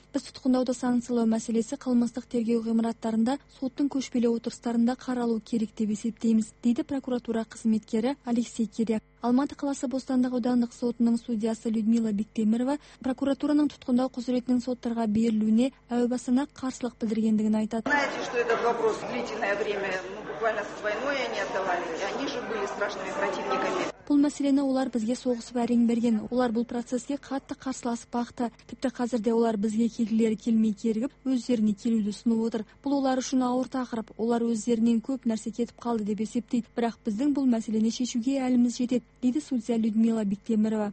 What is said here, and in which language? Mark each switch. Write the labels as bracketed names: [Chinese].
[Kazakh] Біз тұтқындауды санкциялау мәселесі қылмыстық тергеу ғимараттарында соттың көшпелі отырыстарында қаралу керек деп есептейміз, дейді прокуратура қызметкері Алексей Киряк. Алматы қаласы Бостандық аудандық сотының судьясы Людмила Бектемирова прокуратураның тұтқындау құзыретінің соттарға берілуіне әу басына қарсылық білдіргендігін айтады. [Russian] Знаете, что это вопрос длительное время, ну буквально с войной они отдавали, они же были страшными противниками. [Kazakh] Бұл мәселені олар бізге соғысып әрең берген. Олар бұл процеске қатты қарсыласып бақты. Тіпті қазірде олар бізге келгілері келмей кергіп, өздеріне келуді ұсынып отыр. Бұл олар үшін ауыр тақырып, олар өздерінен көп нәрсе кетіп қалды деп есептейді. Бірақ біздің бұл мәселені шешуге әліміз жетеді, дейді судья Людмила Бектемирова.